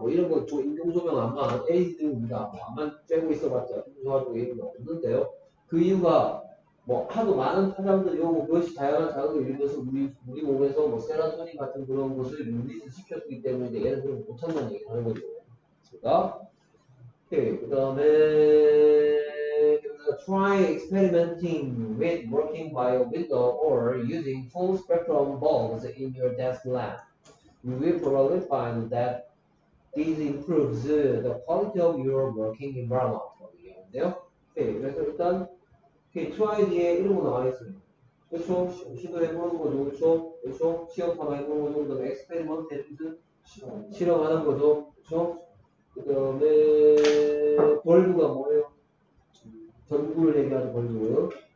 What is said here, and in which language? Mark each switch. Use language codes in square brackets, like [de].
[ko] 뭐, 이런 거, 인공조명 아마, LED등입니다. 뭐, 아마 쬐고 있어봤자, 좋아지고 얘기는 없는데요. 그 이유가, 뭐 하도 많은 파장들이 오고 그것이 다양한 자극을 일으켜서 우리 몸에서 뭐 세라토닌 같은 그런 것을 릴리즈 시켰기 때문에 얘는 그걸 못한다는 얘기를 하는 거죠. 그렇습니까? 오케이. 그 다음에 [en] Try experimenting with working by a window or using full spectrum bulbs in your desk lamp. You will probably find that this improves the quality of your working environment. [ko] 오케이. 그래서 일단 이렇게 트라이 뒤에 이런 거 나와 있습니다. 그쵸? 시도해보는 거죠. 그쵸? 그쵸? 시험 삼아 해보는 거죠. 그 다음에 엑스페리먼트 해주든 실험하는 거죠. 그쵸? 그 다음에 벌브가 뭐예요? 전구를 얘기하는 벌브고요.